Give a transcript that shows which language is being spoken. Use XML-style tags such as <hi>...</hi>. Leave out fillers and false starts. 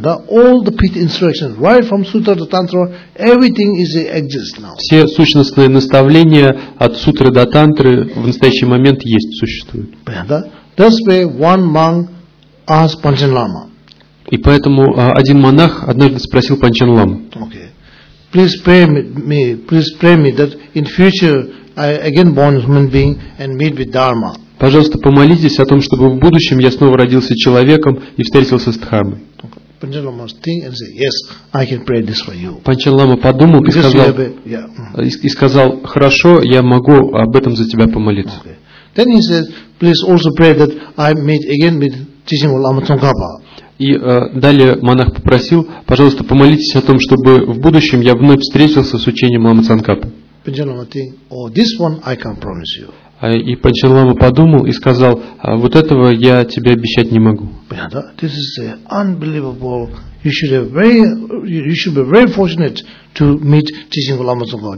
<en>All the pith instructions, right from sutra to tantra, everything is exist now.</en> <ru>Все сущностные наставления от сутры до тантры в настоящий момент есть, существуют.</ru> <en>That's why one monk asked Panchen Lama.</en> <ru>И поэтому один монах однажды спросил Панчен Лама.</ru> <en>Okay. Please pray me that in future I again born human being and meet with Dharma.</en> <ru>Пожалуйста, помолитесь о том, чтобы в будущем я снова родился человеком и встретился с Дхармой.</ru> <en>Панчен Лама think and say, yes, I can pray this for you.</en> <ru>Панчен Лама подумал и сказал, хорошо, я могу об этом за тебя помолиться.</ru> <en>Okay. Then he said, please also pray that I meet again with teaching of Lama Tsongkhapa.</en> <ru>И далее монах попросил, пожалуйста, помолитесь о том, чтобы в будущем я вновь встретился с учением Лама Цанкапа.</ru> <en>Панчен Лама think, oh, this one I can promise you.</en> <ru>И Панчен Лама подумал и сказал, вот этого я тебе обещать не могу.</ru> <en>Понятно? This is unbelievable. You should be very fortunate to meet teaching of Lama Tsongkhapa.</en>